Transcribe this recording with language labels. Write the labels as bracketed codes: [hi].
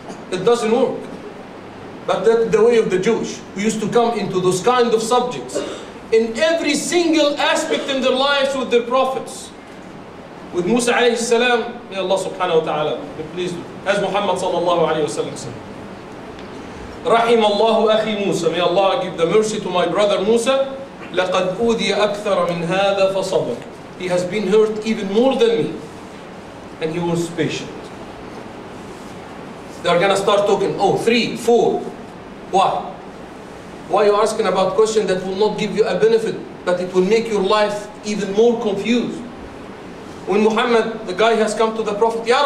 [en] It doesn't work. But that's the way of the Jewish, who used to come into those kind of subjects in every single aspect in their lives with their prophets. With Musa alayhi salam, may Allah subhanahu wa ta'ala be pleased with. As Muhammad sallallahu alayhi wa sallam said, [ar] رحم الله أخي موسى. [en] May Allah give the mercy to my brother Musa. [ar] لقد أوذي أكثر من هذا فصبر. [en] He has been hurt even more than me. And he was patient. They are going to start talking, oh, three, four. Why? Why are you asking about questions that will not give you a benefit that it will make your life even more confused. When Muhammad, the guy has come to the Prophet, Ya Rasulullah,